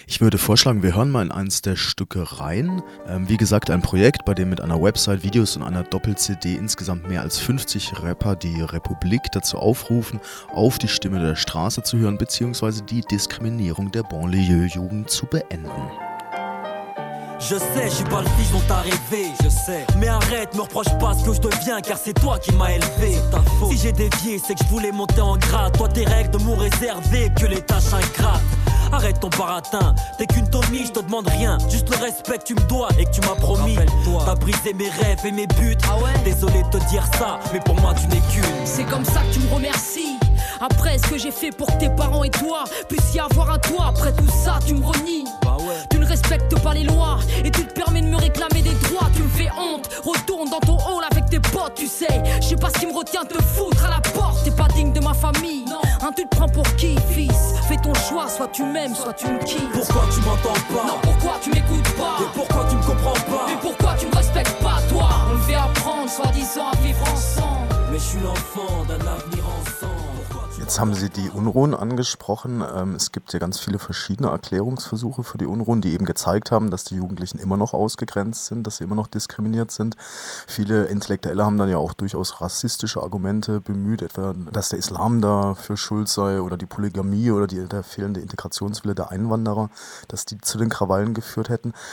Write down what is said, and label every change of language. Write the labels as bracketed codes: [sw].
[de] Ich würde vorschlagen, wir hören mal in eins der Stücke rein. Wie gesagt, ein Projekt, bei dem mit einer Website, Videos und einer Doppel-CD insgesamt mehr als 50 Rapper die Republik dazu aufrufen, auf die Stimme der Straße zu hören bzw. die Diskriminierung der Banlieue-Jugend zu beenden. [fr] Je sais, je suis pas le fils dont t'as rêvé, je sais. Mais arrête, me reproche pas ce que je deviens, car c'est toi qui m'as élevé. C'est ta faute. Si j'ai dévié, c'est que je voulais monter en grade. Toi, tes règles m'ont réservé que les tâches ingrates. Arrête ton baratin, t'es qu'une tomie, je te demande rien. Juste le respect que tu me dois et que tu m'as promis. Rappelle-toi. T'as brisé mes rêves et mes buts. Ah ouais? Désolé de te dire ça, mais pour moi, tu n'es qu'une. C'est comme ça que tu me remercies. Après ce que j'ai fait pour que tes parents et toi puissent y avoir un toit, après tout ça, tu me renies. Bah ouais. Tu ne respectes pas les lois et tu te permets de me réclamer des droits. Tu me fais honte, retourne dans ton hall avec tes potes, tu sais. Je sais pas ce qui me retient de te foutre à la porte. T'es pas digne de ma famille, non. Hein, tu te prends pour qui, fils? Fais ton choix, soit tu m'aimes, soit tu me quittes. Pourquoi tu m'entends pas? Non, pourquoi tu m'écoutes pas? Et pourquoi tu me comprends pas? Mais pourquoi tu me respectes pas, toi? On devait apprendre, soi-disant, à vivre ensemble. Mais je suis l'enfant d'un avenir ensemble. [de] Jetzt haben Sie die Unruhen angesprochen. Es gibt ja ganz viele verschiedene Erklärungsversuche für die Unruhen, die eben gezeigt haben, dass die Jugendlichen immer noch ausgegrenzt sind, dass sie immer noch diskriminiert sind. Viele Intellektuelle haben dann ja auch durchaus rassistische Argumente bemüht, etwa, dass der Islam da für schuld sei oder die Polygamie oder der fehlende Integrationswille der Einwanderer, dass die zu den Krawallen geführt hätten.